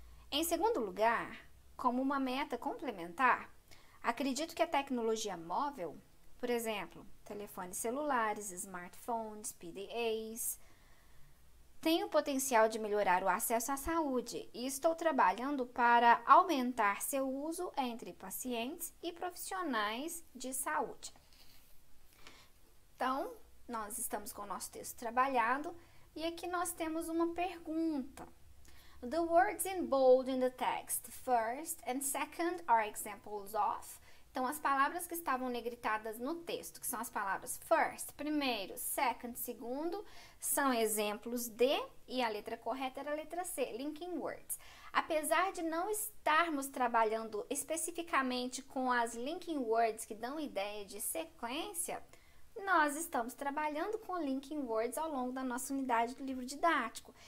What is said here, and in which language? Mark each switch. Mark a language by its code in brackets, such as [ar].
[pt] Em segundo lugar, como uma meta complementar, acredito que a tecnologia móvel, por exemplo, telefones celulares, smartphones, PDAs, tem o potencial de melhorar o acesso à saúde e estou trabalhando para aumentar seu uso entre pacientes e profissionais de saúde. Então, nós estamos com o nosso texto trabalhado e aqui nós temos uma pergunta. [en] The words in bold in the text, first and second, are examples of. [pt] Então, as palavras que estavam negritadas no texto, que são as palavras first, primeiro, second, segundo, são exemplos de, e a letra correta era a letra C, linking words. Apesar de não estarmos trabalhando especificamente com as linking words que dão ideia de sequência, nós estamos trabalhando com linking words ao longo da nossa unidade do livro didático.